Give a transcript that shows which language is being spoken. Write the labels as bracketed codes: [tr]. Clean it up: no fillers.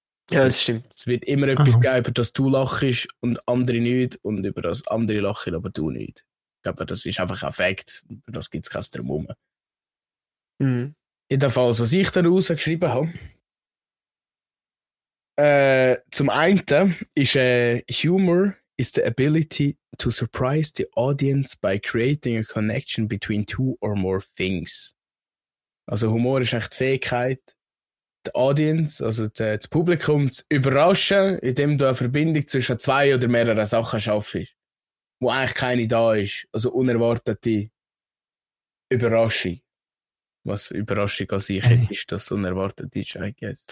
[de] Ja, das stimmt. Es wird immer etwas geben, über das du lachst und andere nicht und über das andere lachen, aber du nicht. Aber das ist einfach ein Fakt. Das gibt es kein Drumherum. Mhm. In dem Fall, was ich daraus geschrieben habe. Zum einen ist Humor [en] is the ability to surprise the audience by creating a connection between two or more things. [de] Also Humor ist echt die Fähigkeit, die Audience, also das Publikum zu überraschen, indem du eine Verbindung zwischen zwei oder mehreren Sachen schaffst. Wo eigentlich keine da ist. Also unerwartete Überraschung. Was Überraschung an sich ist, dass unerwartet ist, [en] I guess.